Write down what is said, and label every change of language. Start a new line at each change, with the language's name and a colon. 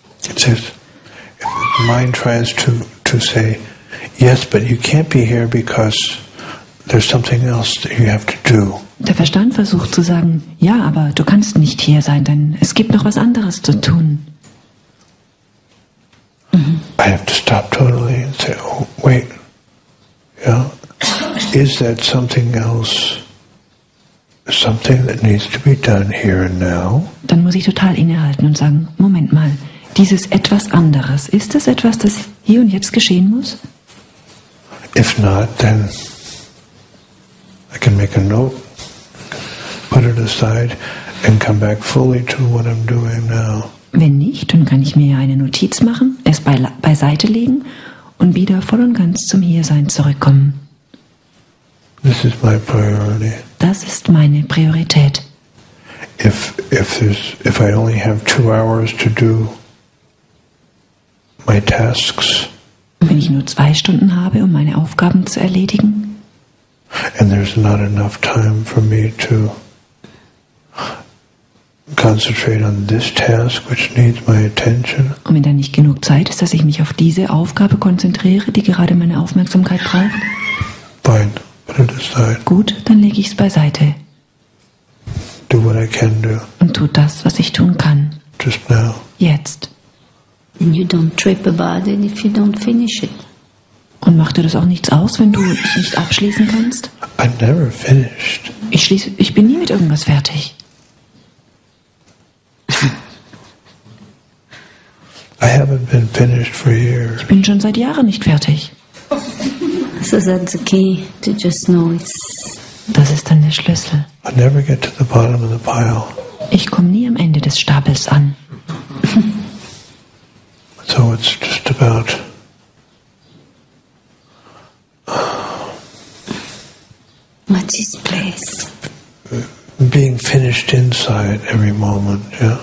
English: It says, if the mind tries to say, yes, but you can't be here because there's something else that you have to do.
German: Der Verstand versucht zu sagen, ja, aber du kannst nicht hier sein, denn es gibt noch was anderes zu tun.
English: I have to stop totally and say, oh, wait, yeah, is that something else, something that needs to be done here and now?
German: Dann muss ich total innehalten und sagen, Moment mal, dieses etwas anderes, ist das etwas, das hier und jetzt geschehen muss?
English: If not, then I can make a note, put it aside and come back fully to what I'm doing now.
German: Wenn nicht, dann kann ich mir eine Notiz machen, es beiseite legen und wieder voll und ganz zum Hiersein zurückkommen.
English: This is my priority.
German: Das ist meine Priorität.
English: If I only have 2 hours to do my tasks.
German: Wenn ich nur 2 Stunden habe, um meine Aufgaben zu erledigen.
English: And there's not enough time for me to concentrate on this task, which needs my attention.
German: Und wenn da nicht genug Zeit ist, dass ich mich auf diese Aufgabe konzentriere, die gerade meine Aufmerksamkeit braucht.
English: Fine. Put it aside.
German: Gut, dann lege ich es beiseite.
English: Do what I can do.
German: Und tu das, was ich tun kann.
English: Just now.
German: Jetzt.
English: And you don't trip about it if you don't finish it.
German: Und macht dir das auch nichts aus, wenn du es nicht abschließen kannst?
English: I never finished.
German: Ich bin nie mit irgendwas fertig.
English: I haven't been finished for years.
German: Ich bin schon seit Jahren nicht fertig.
English: So that's the key to just know it's.
German: Das ist dann der Schlüssel.
English: I never get to the bottom of the pile.
German: Ich komme nie am Ende des Stapels an.
English: So it's just about what's his place? Being finished inside every moment, yeah.